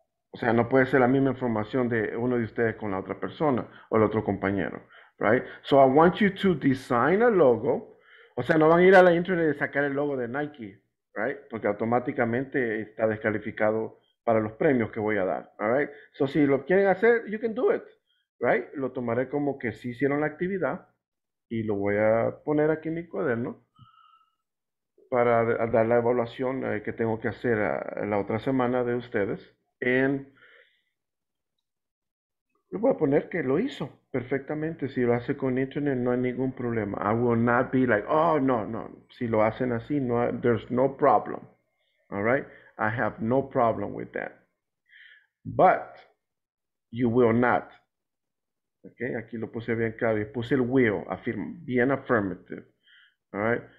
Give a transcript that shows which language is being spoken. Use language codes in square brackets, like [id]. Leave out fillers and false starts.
[es] O sea, no puede ser la misma información de uno de ustedes con la otra persona o el otro compañero. [en] Right? So I want you to design a logo. [es] O sea, no van a ir a la internet y sacar el logo de Nike, right? Porque automáticamente está descalificado para los premios que voy a dar, all right? So si lo quieren hacer, [en] you can do it, [es] right? Lo tomaré como que sí hicieron la actividad y lo voy a poner aquí en mi cuaderno para dar la evaluación que tengo que hacer la otra semana de ustedes. And le voy a poner que lo hizo perfectamente. Si lo hace con internet, no hay ningún problema. [en] I will not be like, oh, no, no. [es] Si lo hacen así, no, [en] there's no problem. All right? I have no problem with that. But you will not. Okay? [es] Aquí lo puse bien claro. Puse el will, bien affirmative. All right?